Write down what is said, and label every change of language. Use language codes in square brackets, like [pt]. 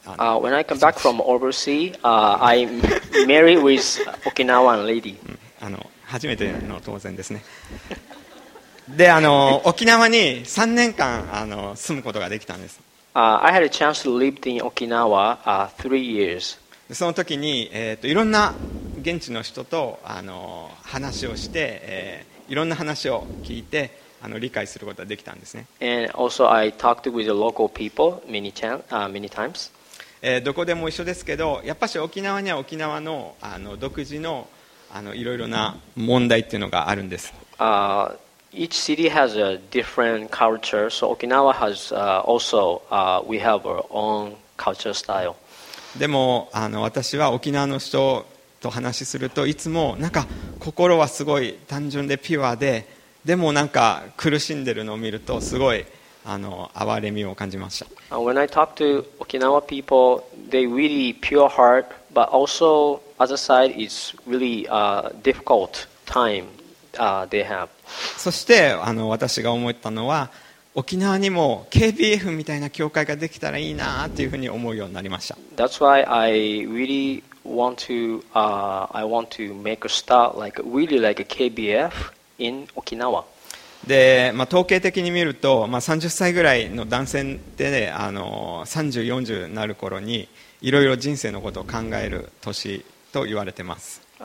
[en] When I come back from overseas, I marry with Okinawan lady. [ja] 初めての当然ですね。で、沖縄に3年間住むことができたんです。 [en] I had a chance to live in Okinawa, 3 years. [ja] その時に、いろんな現地の人と話をして、いろんな話を聞いて理解することができたんですね。 [en] And also I talked with the local people many times. [ja] どこでも一緒ですけど、やっぱし沖縄には沖縄の独自のいろいろな問題っていうのがあるんです。 [en] Each city has a different culture, so Okinawa has we have our own culture style. [ja] でも私は沖縄の人と話しするといつもなんか心はすごい単純でピュアで、でもなんか苦しんでるのを見るとすごい哀れみを感じました。 [en] When I talk to Okinawa people, they really pure heart, but also other side is really difficult time they have. [ja] そして私が思ったのは、沖縄にも KBF みたいな教会ができたらいいなというふうに思うようになりました。 [en] That's why I really want to make a start like a KBF in Okinawa. [ja] で、まあ、統計的に見ると、まあ、30歳ぐらいの男性で、ね、30、40になる頃にいろいろ人生のことを考える年と言われてます。